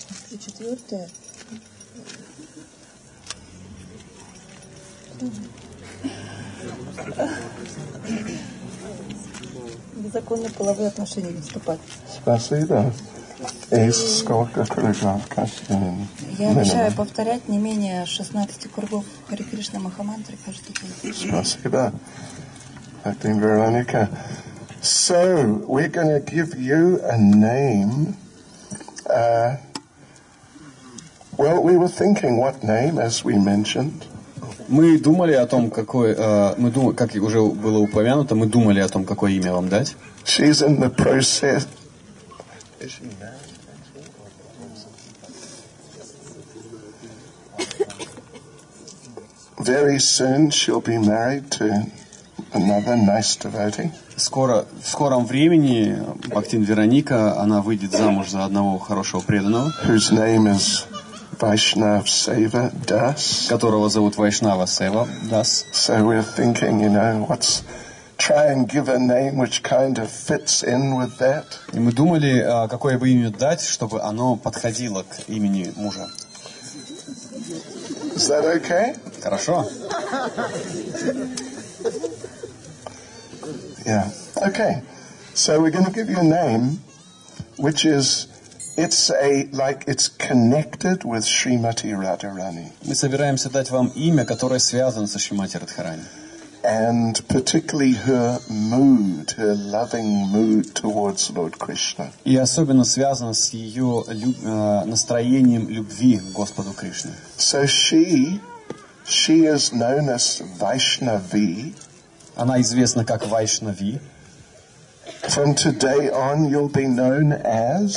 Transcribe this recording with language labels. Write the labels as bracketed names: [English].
[Russian] И четвертое, в законные половые отношения не вступать. Спасибо. И сколько кругов? Я обещаю повторять не менее 16 кругов Хари Кришна Махамантры каждый день. Спасибо. Акдин Вероника. [English] So, we're going to give you a name. Well, we were thinking what name, as we mentioned. [Russian] Мы думали о том, какой, мы думали, как уже было упомянуто, мы думали о том, какое имя вам дать. [English] She's in the process. Very soon she'll be married to another nice devotee. [Russian] Скоро, в скором времени Бхактин Вероника, она выйдет замуж за одного хорошего преданного. [English] Whose name is Vaishnav Seva Das. [Russian] Которого зовут Вайшнава Сева Дас. [English] So we're thinking, you know, let's try and give a name which kind of fits in with that. [Russian] И мы думали, какое бы имя дать, чтобы оно подходило к имени мужа. [English] Is that okay? [Russian] Хорошо. [English] Yeah. Okay. So we're going to give you a name which is, it's a, like, it's connected with Srimati Radharani. [Russian] Мы собираемся дать вам имя, которое связано со Шримати Радхарани. [English] And particularly her mood, her loving mood towards Lord Krishna. [Russian] И особенно связано с ее настроением любви к Господу Кришне. [English] So she is known as Vaishnavi. [Russian] Она известна как Вайшнави. [English] From today on, you'll be known as.